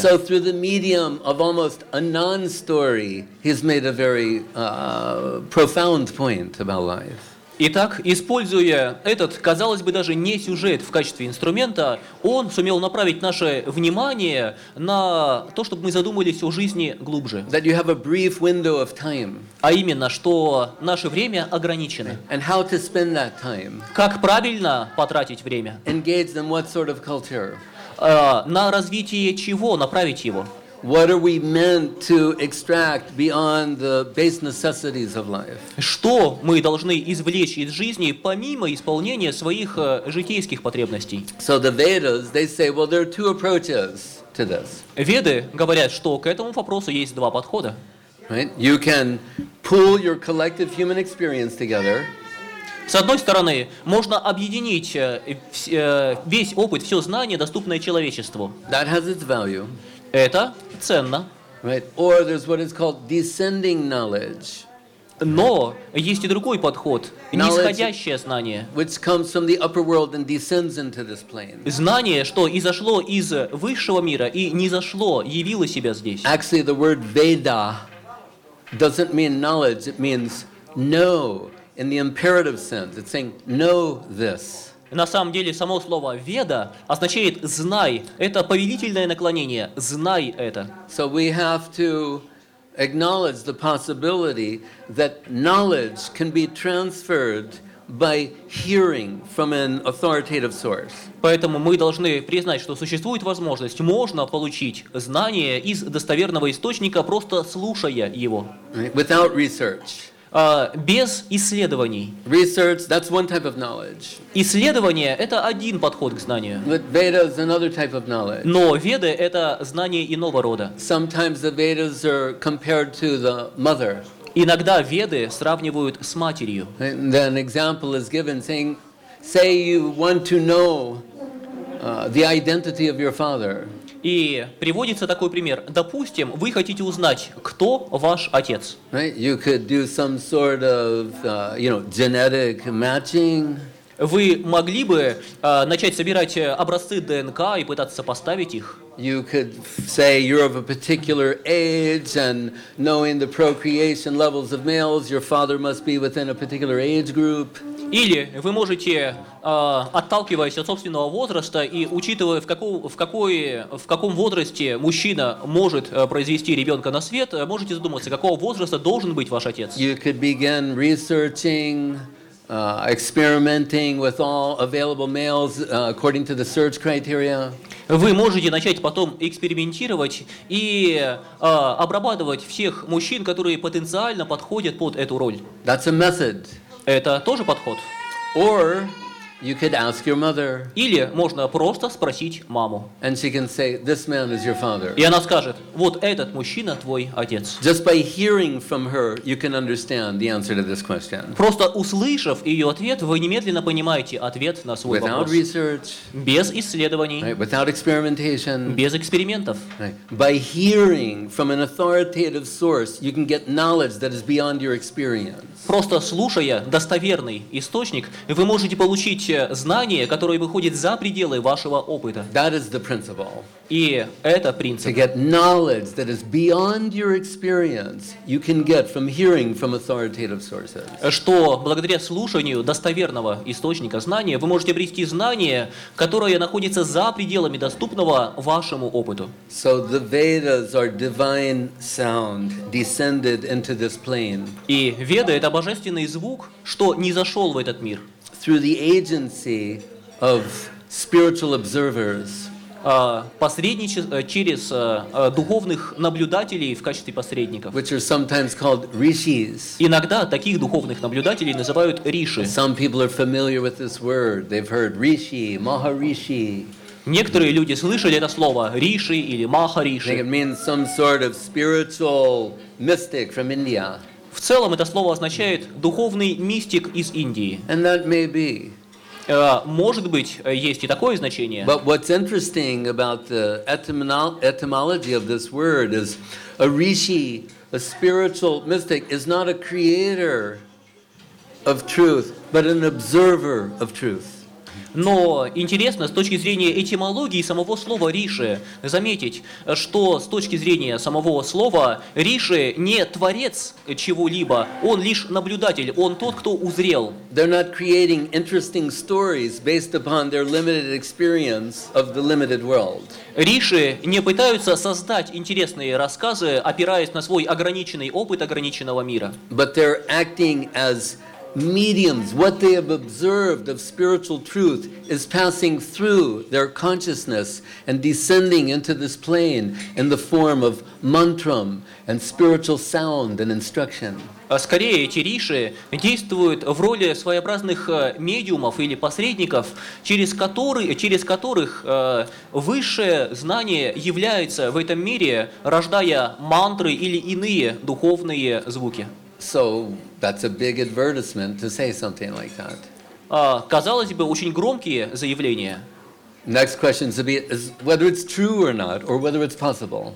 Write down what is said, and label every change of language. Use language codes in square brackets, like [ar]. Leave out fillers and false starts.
[en] So through the medium of almost a non-story, he's made a very profound point about life. [ru] Итак, используя этот, казалось бы, даже не сюжет в качестве инструмента, он сумел направить наше внимание на то, чтобы мы задумались о жизни глубже. [en] That you have a brief window of time. [ru] А именно, что наше время ограничено. [en] And how to spend that time. [ru] Как правильно потратить время? [en] Engage them what sort of culture. [ru] На развитие чего направить его? [en] What are we meant to extract beyond the base necessities of life? [ru] Что мы должны извлечь из жизни помимо исполнения своих житейских потребностей? [en] So the Vedas, they say, well, there are two approaches to this. [ru] Веды говорят, что к этому вопросу есть два подхода. [en] Right? You can pull your collective human experience together. [ru] С одной стороны, можно объединить весь опыт, все знание, доступное человечеству. [en] That has its value. [ru] Это ценно. [en] Right. Or there's what is called descending knowledge. [ru] Но есть и другой подход, нисходящее знание. [en] Which comes from the upper world and descends into this plane. [ru] Знание, что изошло из высшего мира и низошло, явило себя здесь. [en] Actually, the word Veda doesn't mean knowledge, it means know in the imperative sense. It's saying know this. [ru] На самом деле, само слово «веда» означает «знай». Это повелительное наклонение. «Знай это». [en] So we have to acknowledge the possibility that knowledge can be transferred by hearing from an authoritative source. [ru] Поэтому мы должны признать, что существует возможность, можно получить знание из достоверного источника, просто слушая его. [en] Without research. [ru] Без исследований. [en] Research, that's one type of knowledge. [ru] Исследование — это один подход к знанию. [en] But Vedas, another type of knowledge. [ru] Но Веды — это знание иного рода. [en] Sometimes the Vedas are compared to the mother. [ru] Иногда Веды сравнивают с матерью. [en] And then an example is given saying, say you want to know the identity of your father. [ru] И приводится такой пример. Допустим, вы хотите узнать, кто ваш отец. [en] Right? You could do some sort of, you know, genetic matching. [ru] Вы могли бы начать собирать образцы ДНК и пытаться сопоставить их. [en] You could say you're of a particular age, and knowing the procreation levels of males, your father must be within a particular age group. [ru] Или вы можете, отталкиваясь от собственного возраста и учитывая, в каком возрасте мужчина может произвести ребенка на свет, можете задуматься, какого возраста должен быть ваш отец. [en] You could begin researching, experimenting with all available males according to the search criteria. [ru] Вы можете начать потом экспериментировать и обрабатывать всех мужчин, которые потенциально подходят под эту роль. [en] That's a method. [ru] Это тоже подход. [en] Or you could ask your mother. [ru] Или можно просто спросить маму. [en] And she can say, "This man is your father." [ru] И она скажет: "Вот этот мужчина твой отец." [en] Just by hearing from her, you can understand the answer to this question. [ru] Просто услышав ее ответ, вы немедленно понимаете ответ на свой вопрос. [en] Without research. [ru] Без исследований. [en] Right? Without experimentation. [ru] Без экспериментов. [en] Right? By hearing from an authoritative source, you can get knowledge that is beyond your experience. [ru] Просто слушая достоверный источник, вы можете получить знание, которое выходит за пределы вашего опыта. [en] That is the principle. [ru] И это принцип. [en] To get knowledge that is beyond your experience, you can get from hearing from authoritative sources. [ru] Что благодаря слушанию достоверного источника знания, вы можете обрести знание, которое находится за пределами доступного вашему опыту. [en] So the Vedas are divine sound descended into this plane. [ru] И Веды — это божественный звук, что низошел в этот мир. [en] Through the agency of spiritual observers. [ru] Через духовных наблюдателей в качестве посредников. [en] Which are sometimes called rishis. [ru] Иногда таких духовных наблюдателей называют риши. [en] Some people are familiar with this word. They've heard rishi, maharishi. [ru] Некоторые люди слышали это слово риши или махариши. [en] It means some sort of spiritual mystic from India. [ru] В целом это слово означает духовный мистик из Индии. [en] And that may be. [ru] Может быть, есть и такое значение. [en] But what's interesting about the etymology of this word is a rishi, a spiritual mystic, is not a creator of truth, but an observer of truth. [ru] Но интересно с точки зрения этимологии самого слова «риши» заметить, что с точки зрения самого слова «риши» не творец чего-либо, он лишь наблюдатель, он тот, кто узрел. [en] They're not creating interesting stories based upon their limited experience of the limited world. [ru] Риши не пытаются создать интересные рассказы, опираясь на свой ограниченный опыт ограниченного мира. [en] But they're acting as mediums. What they have observed of spiritual truth is passing through their consciousness and descending into this plane in the form of mantram and spiritual sound and instruction. [ru] Скорее, эти риши действуют в роли своеобразных медиумов или посредников, через которых высшее знание является в этом мире, рождая мантры или иные духовные звуки. [en] So that's a big advertisement to say something like that. [ru] Казалось бы, очень громкие заявления. [en] Next question is whether it's true or not, or whether it's possible.